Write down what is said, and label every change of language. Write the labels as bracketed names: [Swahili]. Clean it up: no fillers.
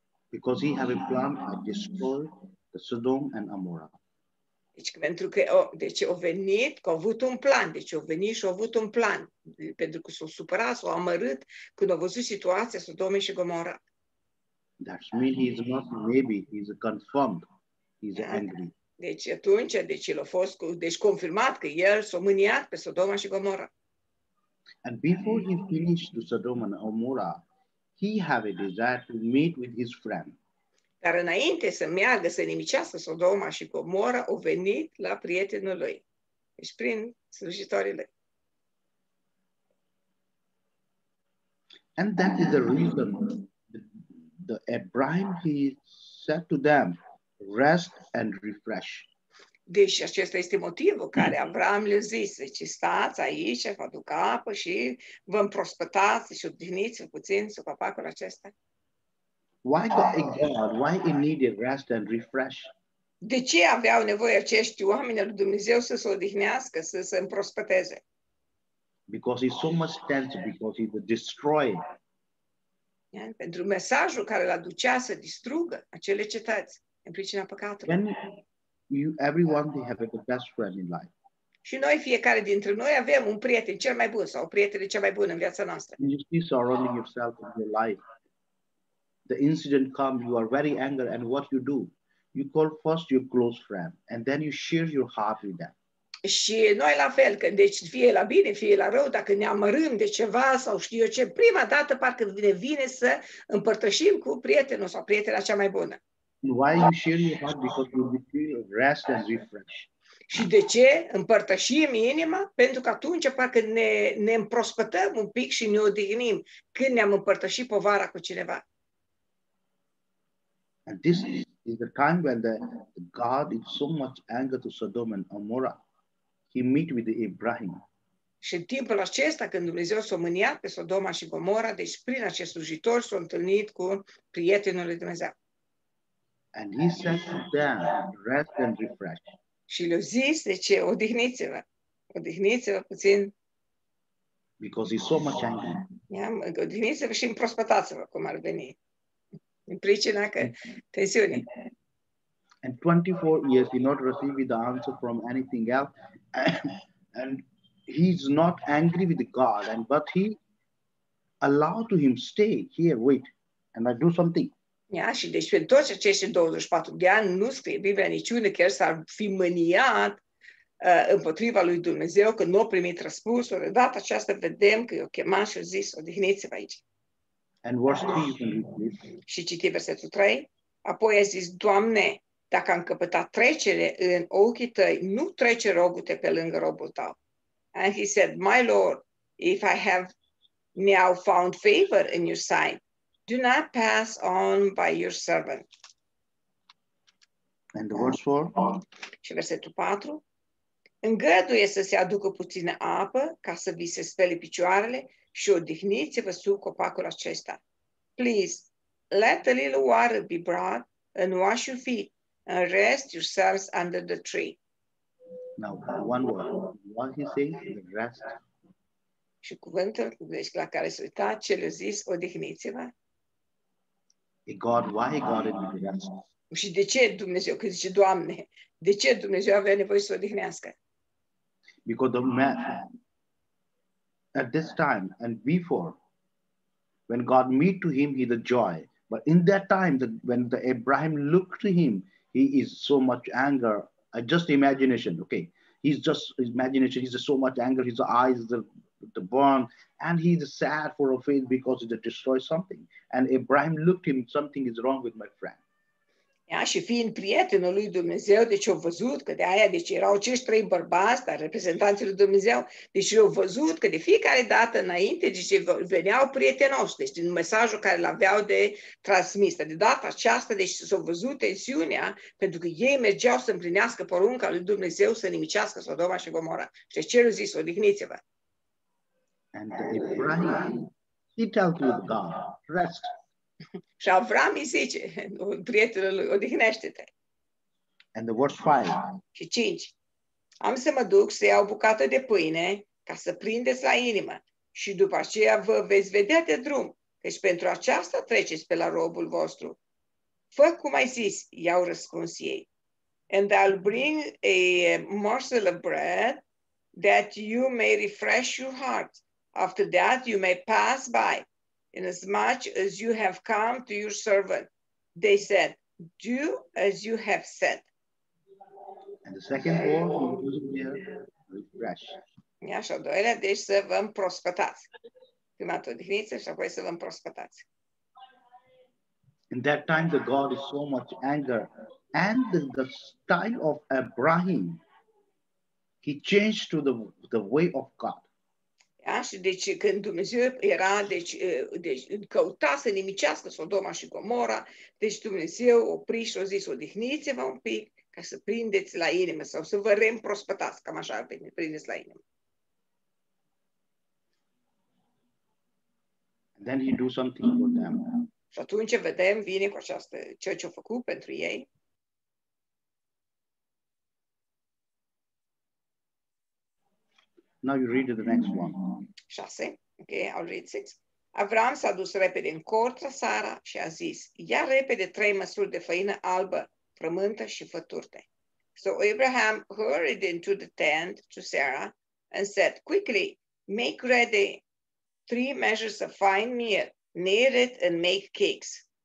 [English] Because he had a plan to destroy the Sodom and Amora. [Romanian] Deci pentru că deci au venit, că au avut un plan, deci au venit și au avut un plan, pentru că s-au supărat, s-au amărât când au văzut situația Sodom și Gomora. [English] That means he's not maybe, he's confirmed, he's angry. [Romanian] Deci atunci, deci l-a fost, deci confirmat că el s-a mâniat pe Sodoma și Gomora. [English] And before he finished to Sodom and Gomorrah, he had a desire to meet with his friend. [Romanian] Dar înainte să meargă să nimicească Sodoma și Gomora, a venit la prietenul lui. Deci prin slujitorii lui. [English] And that is the reason the Abraham, he said to them, rest and refresh. [Romanian] Deci acesta este motivul care Abraham le-a zis, deci stați aici, vă aduc apă și vă împrospătați și odihniți puțin sub copacul acesta. [English] Why God, why he needed rest and refresh? [Romanian] De ce aveau nevoie acești oameni al lui Dumnezeu să se odihnească, să se împrospăteze? [English] Because he's so much tense, because he's destroyed. [Romanian] Pentru mesajul care l-a ducea să distrugă acele cetăți în pricina păcatului. [English] When you, everyone, they have the best friend in life. [Romanian] Și noi, fiecare dintre noi, avem un prieten cel mai bun sau o prietenă cea mai bună în viața noastră. [English] And you see surrounding yourself in your life. The incident comes, you are very angry, and what you do? You call first your close friend, and then you share your heart with them. [Romanian] Și noi la fel, că deci fie la bine, fie la rău, dacă ne amărâm de ceva sau știu eu ce, prima dată parcă ne vine să împărtășim cu prietenul sau prietena cea mai bună. [English] Why you share your heart? Because you feel rest and refresh. [Romanian] Și de ce împărtășim inima? Pentru că atunci parcă ne împrospătăm un pic și ne odihnim când ne-am împărtășit povara cu cineva. [English] And this is the time when the God is so much anger to Sodom and Amora. He meet with Abraham. [Romanian] Și timpul acesta, când Dumnezeu s-a mâniat pe Sodoma și Gomora, deci prin acest slujitor s-a întâlnit cu prietenul lui Dumnezeu. [English] And he said to them, rest and refresh. [Romanian] Și le-a zis, de ce, odihniți-vă. Odihniți-vă puțin. [English] Because he's so much angry. [Romanian] Yeah, odihniți-vă și împrospătați-vă, cum ar veni. În pricina că tensiune. [English] And 24 years he not received the answer from anything else. And he's not angry with God, and but he allowed to him stay here, wait, and I do something. [Romanian] Yeah, și deci pentru toți acești 24 de ani nu scrie Biblia niciune că el s-ar fi mâniat împotriva lui Dumnezeu, că nu a primit răspunsul. De data aceasta vedem că i-a chemat și a zis, odihniți-vă aici. [English] And verse 3, you can read this. [Romanian] Și citi versetul 3. Apoi a zis, Doamne, dacă am căpătat trecere în ochii tăi, nu trece rogu-te pe lângă robul tău. [English] And he said, my Lord, if I have now found favor in your sight, do not pass on by your servant. And verse 4. [Romanian] Și versetul 4. Îngăduie să se aducă puțină apă ca să vi se spele picioarele și odihniți-vă sub copacul acesta. [English] Please, let a little water be brought and wash your feet and rest yourselves under the tree. Now, one word. What he says, rest. [Romanian] Și cuvântul la care se uita, ce le-a zis, odihniți-vă. [English] God, why God is rest? [Romanian] Și de ce Dumnezeu, că zice, Doamne, de ce Dumnezeu avea nevoie să odihnească? [English] Because the man, at this time and before, when God meet to him, he's a joy. But in that time, when the Abraham looked to him, he is so much anger. Just imagination, okay? He's just imagination. He's so much anger. His eyes the burn, and he's sad for a faith because he destroyed something. And Abraham looked to him. Something is wrong with my friend. [Romanian] Ia, și fiind prietenul lui Dumnezeu, deci au văzut că de aia, deci erau acești trei bărbați, dar reprezentanții lui Dumnezeu, deci au văzut că de fiecare dată înainte, deci veneau prietenoși, deci din mesajul care l-aveau de transmis. De data aceasta, deci s-au văzut tensiunea, pentru că ei mergeau să împlinească porunca lui Dumnezeu să nimicească Sodoma și Gomora. Și deci ce le-a zis, odihniți-vă. [English] And Abraham, he tells you God, rest. [Romanian] Și Avram îi zice, prietenul lui, odihnește-te. [English] And the verse 5. [Romanian] Și 5. Am să mă duc să iau bucată de pâine ca să prindeți la inimă. Și după aceea vă veți vedea de drum, căci pentru aceasta treceți pe la robul vostru. Fă cum ai zis, i-au răspuns ei. [English] And I'll bring a morsel of bread that you may refresh your heart. After that, you may pass by, inasmuch as you have come to your servant. They said, do as you have said. And the second word, refresh. [Romanian] Așa, al doilea, deci să vă împrospătați. Prima odihniță și apoi să vă împrospătați. [English] In that time, the God is so much anger. And the style of Abraham, he changed to the way of God. [Romanian] Așa, deci când Dumnezeu era, deci căuta să nimicească Sodoma și Gomora, deci Dumnezeu opri și a zis, odihniți-vă un pic ca să prindeți la inimă sau să vă reîmprospătați, cam așa, prindeți la inimă. [English] Then he do something for them. [Romanian] Și atunci vedem, vine cu această ceea ce a făcut pentru ei. [English] Now you read the next one. 6. Okay, I'll read 6. [Romanian] Avram s-a dus repede în cortra Sara și a zis, ia repede 3 măsuri de făină albă, frământă și făturte. [English] So Abraham hurried into the tent to Sarah and said, quickly, make ready 3 measures of fine meal, knead it and make cakes.